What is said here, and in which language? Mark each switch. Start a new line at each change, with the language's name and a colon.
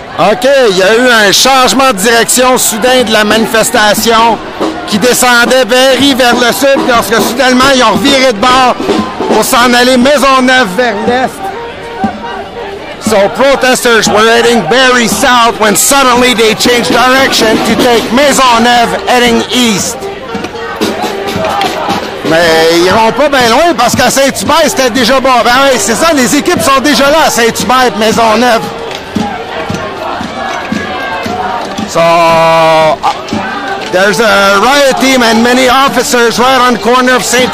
French: OK, il y a eu un changement de direction soudain de la manifestation qui descendait vers le sud lorsque soudainement ils ont reviré de bord pour s'en aller Maisonneuve vers l'est.
English: So protesters were heading Barrie south when suddenly they changed direction to take Maisonneuve heading east.
French: Mais ils iront pas bien loin parce qu'à Saint-Hubert c'était déjà bon. Ben oui, c'est ça, les équipes sont déjà là à Saint-Hubert, Maisonneuve.
English: So, there's a riot team and many officers right on the corner of St.